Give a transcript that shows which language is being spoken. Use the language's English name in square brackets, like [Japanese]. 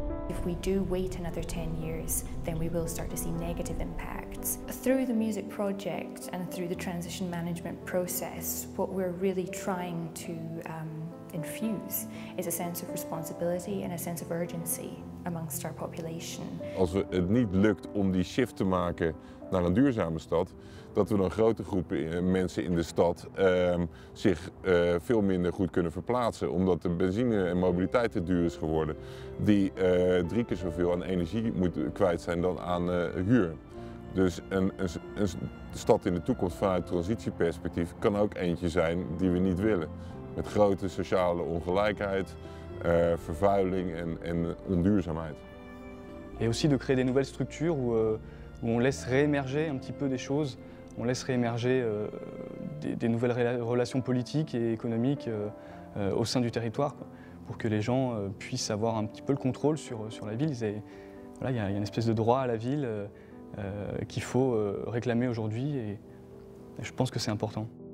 [English] If we do wait another 10 years, then we will start to see negative impacts. Through the music project and through the transition management process, what we're really trying to infuse is a sense of responsibility and a sense of urgency amongst our population. [Dutch] Als het niet lukt om die shift te maken naar een duurzame stad, dat we dan grote groepen mensen in de stad zich veel minder goed kunnen verplaatsen. Omdat de benzine en mobiliteit te duur is geworden. Die 3 keer zoveel aan energie moet kwijt zijn dan aan huur. Dus een stad in de toekomst vanuit transitieperspectief kan ook eentje zijn die we niet willen. Met grote sociale ongelijkheid, vervuiling en onduurzaamheid. En ook om een nieuwe structuur te creëren. [French] Où on laisse réémerger un petit peu des choses, on laisse réémerger des nouvelles relations politiques et économiques au sein du territoire, quoi, pour que les gens puissent avoir un petit peu le contrôle sur la ville. Et, voilà, y a une espèce de droit à la ville qu'il faut réclamer aujourd'hui et je pense que c'est important.